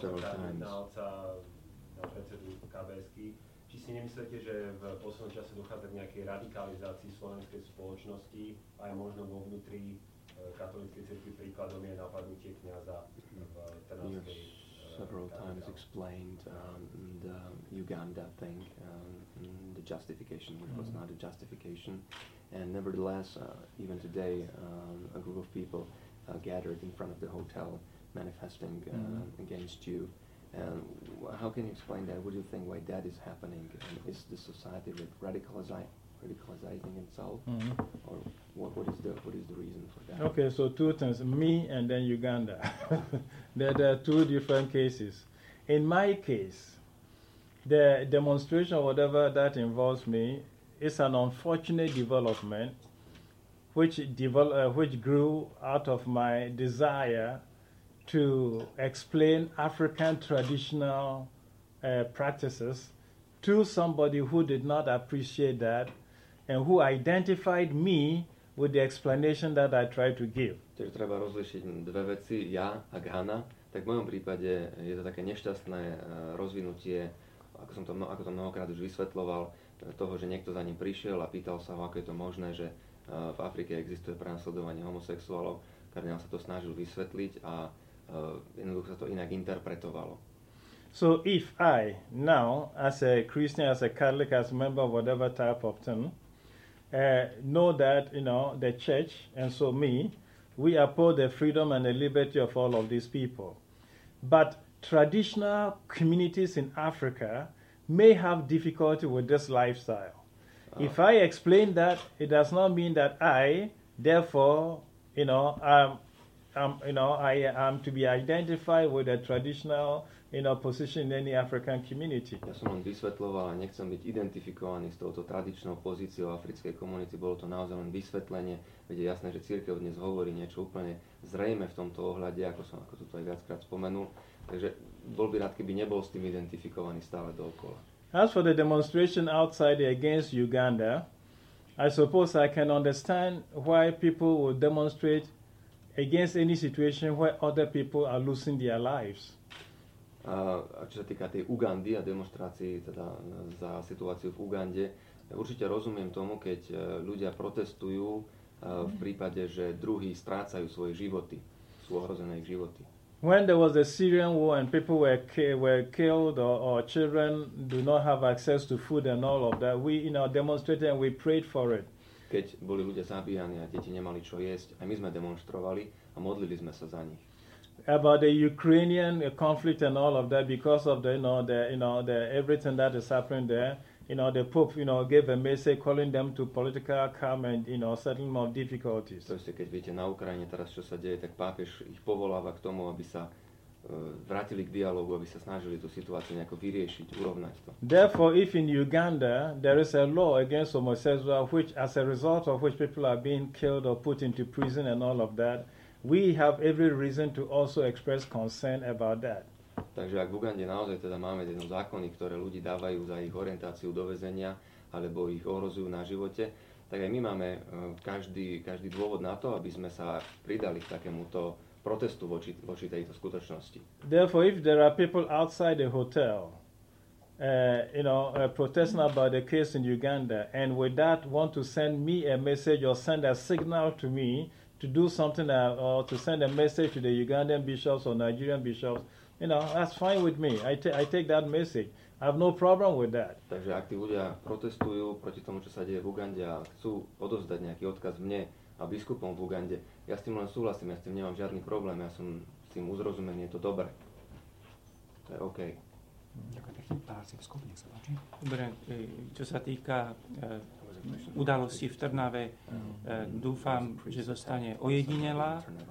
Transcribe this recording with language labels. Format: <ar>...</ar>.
<sk>A na predsedu KBS-ky. Či si nemyslíte, že v poslednom čase dochádza k nejakej radikalizácii slovenskej spoločnosti, aj možno vo vnútri katolíckej cirkvi, príkladom je napadnutie kňaza v Trnavskej.</sk> <en>Several times explained the Uganda thing, the justification, which was not a justification. And nevertheless, even today, a group of people gathered in front of the hotel manifesting against you. And how can you explain that? What do you think why that is happening? And is the society radicalizing itself? Mm-hmm. Or what is the reason for that? Okay, so two things, me and then Uganda. There are two different cases. In my case, the demonstration or whatever that involves me is an unfortunate development which grew out of my desire to explain African traditional practices to somebody who did not appreciate that and who identified me with the explanation that I tried to give.</en> <sk>Takže treba rozlišiť dve veci, ja a Ghana. Tak v mojom prípade je to také nešťastné rozvinutie, ako to mnohokrát už vysvetloval, toho, že niekto za ním prišiel a pýtal sa ho, ako je to možné, že v Afrike existuje prenasledovanie homosexuálov. Kardinál sa to snažil vysvetliť a jednoducho sa to inak interpretovalo.</sk> <en>So if I now, as a Christian, as a Catholic, as a member of whatever type of thing, know that, you know, the church, and so me, we uphold the freedom and the liberty of all of these people. But traditional communities in Africa may have difficulty with this lifestyle. If I explain that, it does not mean that I, therefore, you know, I am to be identified with a traditional, you know, position in any African community.</en> <sk>Ja som len vysvetľoval, nechcem byť identifikovaný s touto tradičnou pozíciou africkej komunity. Bolo to naozaj len vysvetlenie, veď je jasné, že cirkev dnes hovorí niečo úplne zrejme v tomto ohľade, ako to aj viackrát spomenul. Takže bol by rád, keby nebol s tým identifikovaný stále dookola.</sk> <en>As for the demonstration outside against Uganda, I suppose I can understand why people would demonstrate against any situation where other people are losing their lives.</en> <sk>Čo sa týka tej Ugandy a demonstrácií teda za situáciu v Ugande, určite rozumiem tomu, keď ľudia protestujú v prípade, že druhí strácajú svoje životy, sú ohrozené ich životy.</sk> <en>When there was a Syrian war and people were killed or children do not have access to food and all of that, we, you know, demonstrated and we prayed for it.</en> <sk>keď boli ľudia zabíjani a deti nemali čo jesť, aj my sme demonstrovali a modlili sme sa za nich.</sk> <en>About the Ukrainian conflict and all of that, because of the, you know, the, you know, the everything that is happening there, you know, the Pope, you know, gave a message calling them to political calm and, you know, settling of difficulties.</en> <sk>To ešte, keď viete na Ukrajine teraz, čo sa deje, tak pápež ich povoláva k tomu, aby sa vrátili k dialogu, aby sa snažili tú situáciu nejako vyriešiť, urovnať to.</sk> <en>Therefore, if in Uganda there is a law against homosexuals, which as a result of which people are being killed or put into prison and all of that, we have every reason to also express concern about that.</en> <sk>Takže ak v Ugande naozaj teda máme jedno zákony, ktoré ľudí dávajú za ich orientáciu do väzenia alebo ich ohrozujú na živote, tak aj my máme každý dôvod na to, aby sme sa pridali k takémuto protestu voči tejto skutočnosti.</sk> <en>Therefore, if there are people outside the hotel, you know, protesting about the case in Uganda, and with that want to send me a message or send a signal to me to do something or to send a message to the Ugandan bishops or Nigerian bishops, you know, that's fine with me. I take that message. I have no problem with that.</en> <sk>Takže ak tí ľudia protestujú proti tomu, čo sa deje v Ugande a chcú odovzdať nejaký odkaz mne a biskupom v Ugande, ja s tým len súhlasím, ja s tým nemám žiadny problém, ja som s tým uzrozumený, je to dobre. To je OK. Ďakujem pekne. Pán arcibiskup, nech sa páči. Dobre, čo sa týka udalosti v Trnave, dúfam, že zostane ojedinelá.</sk>